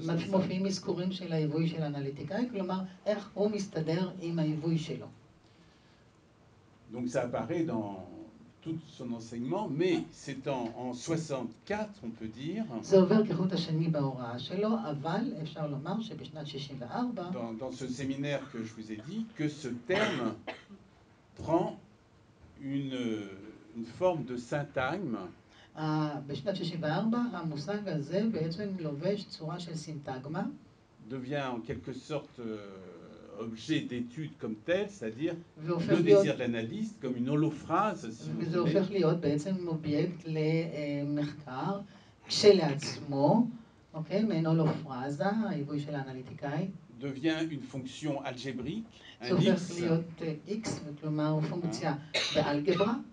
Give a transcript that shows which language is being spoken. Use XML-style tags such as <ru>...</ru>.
<he>מופיעים מזכורים של העיווי של האנליטיקאי, כלומר, איך הוא מסתדר עם העיווי שלו.</he> <fr>Donc ça apparaît dans tout son enseignement, mais c'est en 64, on peut dire.</fr> <he>זה עובר כחוט השני בהוראה שלו, אבל אפשר לומר שבשנת 64,</he> <fr>dans ce séminaire que je vous ai dit, que ce terme prend une forme de syntagme.</fr> <he>בשנת 64, המושג הזה בעצם לובש צורה של סינטגמה.</he> <fr>Devient en quelque sorte objet d'étude comme tel, c'est-à-dire le désir de l'analyste comme une holophrase, si vous voulez.</fr> <he>וזה הופך להיות בעצם אובייקט למחקר כשלעצמו, אוקיי, מעין הולופרזה, העיווי של האנליטיקאי.</he> <fr>Devient une fonction algébrique, un</fr> <he>x. זה הופך להיות x, כלומר הוא פונקציה באלגברה.</he>